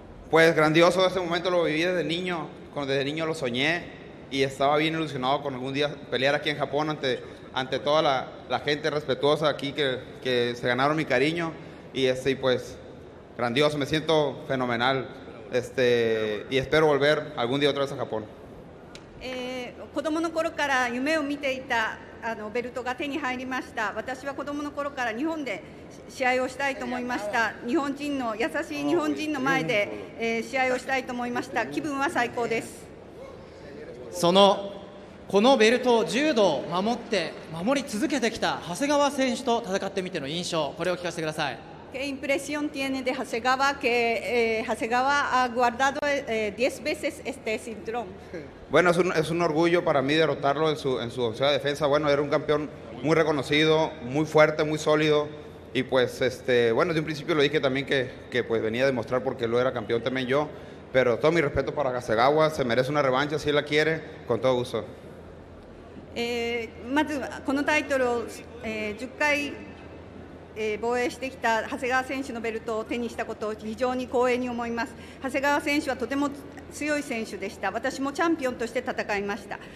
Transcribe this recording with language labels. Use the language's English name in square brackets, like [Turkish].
[Spanish] Pues grandioso, ese momento lo viví desde niño, desde niño lo soñé y estaba bien ilusionado con algún día pelear aquí en Japón ante toda la gente respetuosa aquí que se ganaron mi cariño y pues grandioso, me siento fenomenal y espero volver algún día otra vez a Japón. [Japanese] 子供の頃から夢を見ていたベルトが手に入りました。私は子供の頃から日本で試合をしたいと思いました。日本人の優しい日本人の前で、試合をしたいと思いました。気分は最高です。そのこのベルトを柔道を守り続けてきた長谷川選手と戦ってみての印象、これを聞かせてください。 [Spanish] ¿Qué impresión tiene de Hasegawa que Hasegawa ha guardado 10 veces este cinturón? Bueno, es un orgullo para mí derrotarlo en su onceava defensa. Bueno, era un campeón muy reconocido, muy fuerte, muy sólido. Y pues, bueno, de un principio lo dije también que pues venía a demostrar porque lo era campeón también yo. Pero todo mi respeto para Hasegawa, se merece una revancha si él la quiere, con todo gusto. [Japanese] まずこのタイトルを10回防衛してきた長谷川選手のベルトを手にしたことを非常に光栄に思います。長谷川選手はとても強い選手でした。私もチャンピオンとして戦いました。